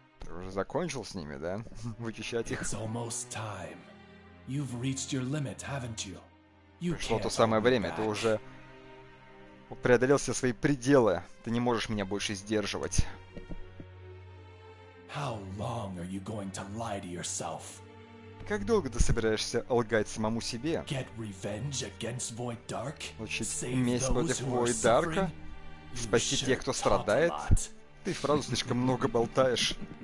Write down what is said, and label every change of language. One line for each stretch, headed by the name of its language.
Russian: Уже закончил с ними, да? Вычищать их.
English: It's almost time. You've reached your limit, haven't you?
Russian: Пришло то самое время. Ты уже преодолел все свои пределы. Ты не можешь меня больше сдерживать.
English: How long are you going to lie to yourself?
Russian: Как долго ты собираешься лгать самому себе?
English: Get revenge against Void Dark?
Russian: Учить месть против Void Dark? Спасти тех, кто страдает? Ты фразу слишком много болтаешь.